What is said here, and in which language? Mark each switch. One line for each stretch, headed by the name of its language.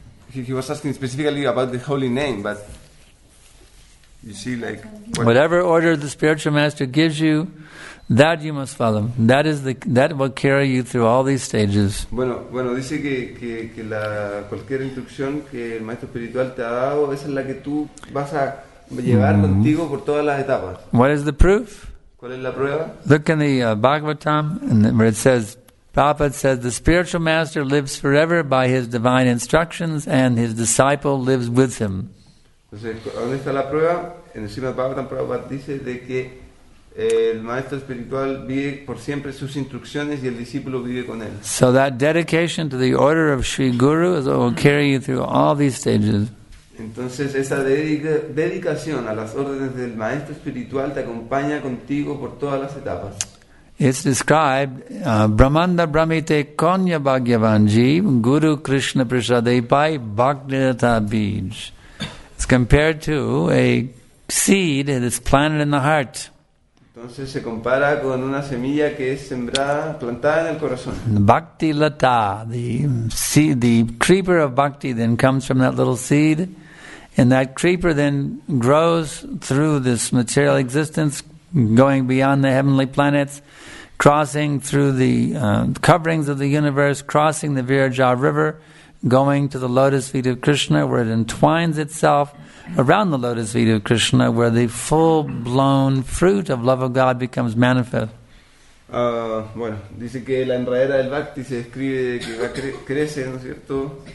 English: He was asking specifically about the holy name, but you see, like, whatever order the spiritual master gives you, that you must follow. That will carry you through all these stages.
Spanish: Bueno, dice que la cualquier instrucción que el maestro espiritual te ha dado, esa es la que tú vas a llevar contigo por todas las etapas.
English: What is the proof?
Spanish: ¿Cuál es la prueba?
English: Look in the Bhagavatam, where it says, Prabhupada says, the spiritual master lives forever by his divine instructions, and his disciple lives with him.
Spanish: Entonces, ¿dónde está la prueba? En el Srimad Bhagavatam, Prabhupada dice de que el maestro espiritual vive por siempre sus instrucciones y el discípulo vive con él.
English: So that dedication to the order of Sri Guru is what will carry you through all these stages.
Spanish: Entonces, esa dedicación a las órdenes del maestro espiritual te acompaña contigo por todas las etapas.
English: It's described,
Sanskrit: Brahmanda Brahmite Konya Bhagyavanji Guru Krishna Prasadipai Bhaktirata Bij.
English: It's compared to a seed that is planted in the heart.
Spanish: Entonces se compara con una semilla que es sembrada, plantada en el corazón.
English: Bhakti lata, the creeper of bhakti then comes from that little seed, and that creeper then grows through this material existence, going beyond the heavenly planets, crossing through the coverings of the universe, crossing the Viraja River, going to the lotus feet of Krishna, where it entwines itself around the lotus feet of Krishna, where the full-blown fruit of love of God becomes manifest.
Spanish: Bueno, dice que la enredadera del bhakti se describe que crece, ¿no es cierto?